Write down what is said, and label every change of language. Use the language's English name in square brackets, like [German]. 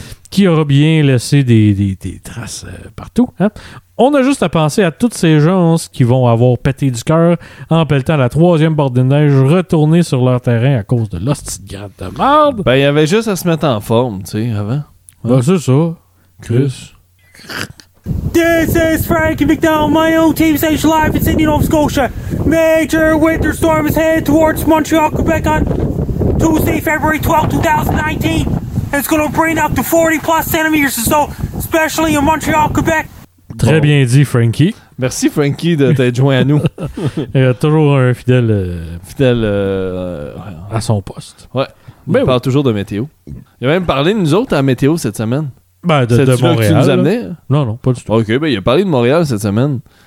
[French] Qui aura bien laissé des traces partout. Hein? On a juste à penser à toutes ces gens qui vont avoir pété du cœur en pelletant la troisième borde de neige retournée sur leur terrain à cause de l'hostie de grade de marde. Ben, il y avait juste à se mettre en forme, tu sais, avant. Hein? Ben, c'est ça. Chris. [English] This is Frankie McDowell, my own team station live in Sydney, Nova Scotia. Major winter storm is headed towards Montreal, Quebec on Tuesday, February 12, 2019. It's going to bring up to 40 plus centimeters or so, especially in Montreal, Quebec. [French] Très bon. Bien dit, Frankie. Merci, Frankie, de t'être joint à nous. Il y a toujours un fidèle... Fidèle à son poste. Ouais. Ben il parle toujours de météo. Il a même parlé de nous autres à météo cette semaine. Ben, de Montréal. C'est-tu là que tu nous amenais? Non, non, pas du tout. OK, ben il a parlé de Montréal cette semaine.